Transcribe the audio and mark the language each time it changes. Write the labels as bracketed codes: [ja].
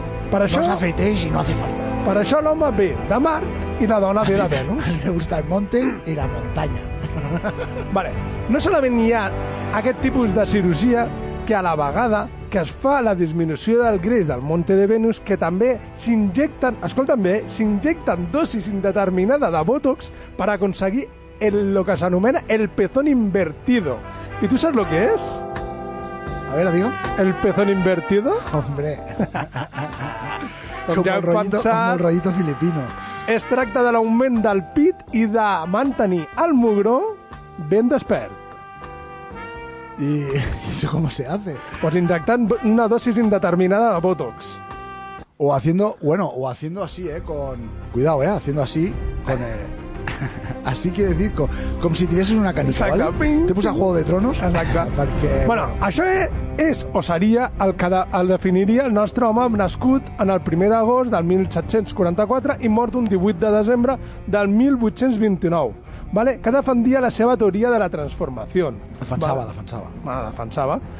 [ca] Per això... No s'afeteix i [es] no hace falta. [ca] Per això l'home ve de Mart i la dona ve de Venus. [es] A mi me gusta el monte y la montaña. Vale. [ca] No solament hi ha aquest tipus de cirurgia que a la vegada que es fa la disminució del greix del Monte de Venus, que també s'injecten, escolta'm bé, s'injecten dosis indeterminades de Botox per aconseguir el que s'anomena [es] el pezón invertido. [ca] I tu saps el que és? A veure, digue'm. [es] El pezón invertido? [ca] Hombre. Com el rotllito filipino. Es tracta de l'augment del pit i de mantenir el mugró ben despert. [es] ¿Y eso cómo se hace? Pues inyectan una dosis indeterminada de Botox. O haciendo, bueno, o haciendo así, con... Cuidado, haciendo así, con... Así quiere decir, como si tuvieses una canica, ¿vale? Te puse a Juego de Tronos. Exacto. Porque, [ca] bueno, això és, o seria, el que el definiria el nostre home nascut en el 1 d'agost del 1744 i mort un 18 de desembre del 1829. Vale, que defendia la seva teoria de la transformació. Defensava.